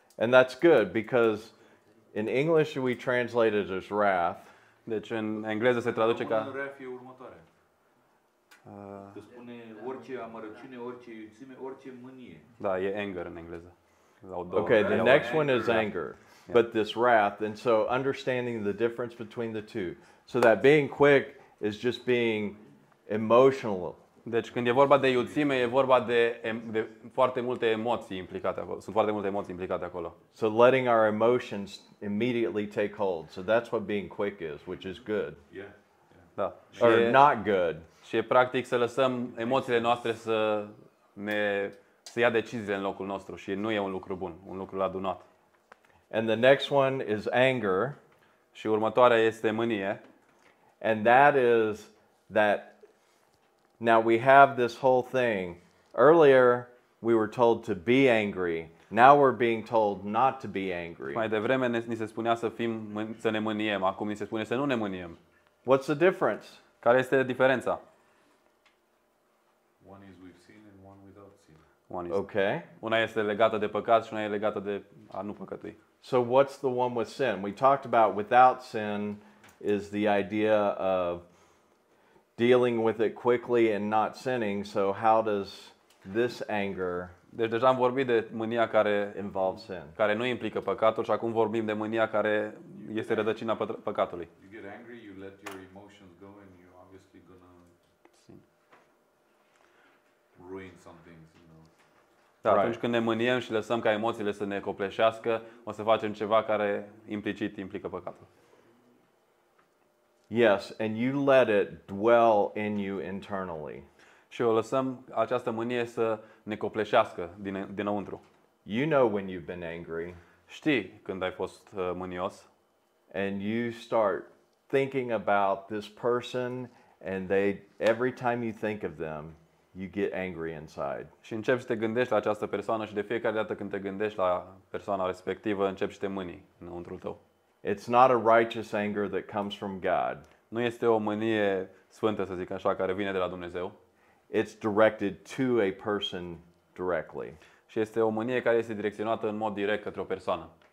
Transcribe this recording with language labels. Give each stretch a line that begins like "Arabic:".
English: And that's good because in English we translate it as wrath.
Romanian: Deci în engleză se traduce ca wrath e următoare. Se spune orice amărăciune, orice iuțime, orice mânie. Da, e anger în engleză.
English: Okay, the next one is anger. But this wrath, and so understanding the difference between the two. So that being quick is just being emotional.
Romanian: Deci când e vorba de iuțime, e vorba de foarte multe emoții implicate acolo. Sunt foarte multe emoții implicate acolo.
English: So letting our emotions immediately take hold. So that's what being quick is, which is good. Yeah.
Romanian: Da.
English: Or not good.
Romanian: Și e practic să lăsăm emoțiile noastre să ia deciziile în locul nostru și nu e un lucru bun, un lucru adunat.
English: And the next one is anger.
Romanian: Și următoarea este mânie.
English: And that is that now we have this whole thing. Earlier we were told to be angry. Now we're being told not to be angry.
Romanian: Mai devreme ni se spunea să ne mâniem, acum ni se spune să nu ne mâniem.
English: What's the difference?
Romanian: Care este diferența?
English: One is with sin and one without sin. One is. Okay.
Romanian: Una este legată de păcat și una e legată de a nu păcătui.
English: So what's the one with sin? We talked about without sin is the idea of dealing with it quickly and not sinning. So how does this anger?
Romanian: Deci deja am vorbit de mânia care
English: involves sin.
Romanian: Care nu implică păcatul și acum vorbim de mânia care este rădăcina păcatului.
English: You get angry, you let your emotions go and you obviously gonna sin. Ruin something.
Romanian: Dar atunci right. Când ne mâniem și lăsăm ca emoțiile să ne copleșească, o să facem ceva care implicit implică păcatul.
English: Yes, and you let it dwell in you internally.
Romanian: Și o lăsăm această mânie să ne copleșească dinăuntru.
English: You know when you've been angry.
Romanian: Știi când ai fost mânios.
English: And you start thinking about this person and they every time you think of them, you get angry inside.
Romanian: Și începi să te gândești la această persoană și de fiecare dată când te gândești la persoana respectivă, începi să te mânii înăuntru tău.
English: It's not a righteous anger that comes from God.
Romanian: Nu este o mânie sfântă, să zic așa, care vine de la Dumnezeu.
English: It's directed to a person directly.
Romanian: Și este o mânie care este direcționată în mod direct către o persoană.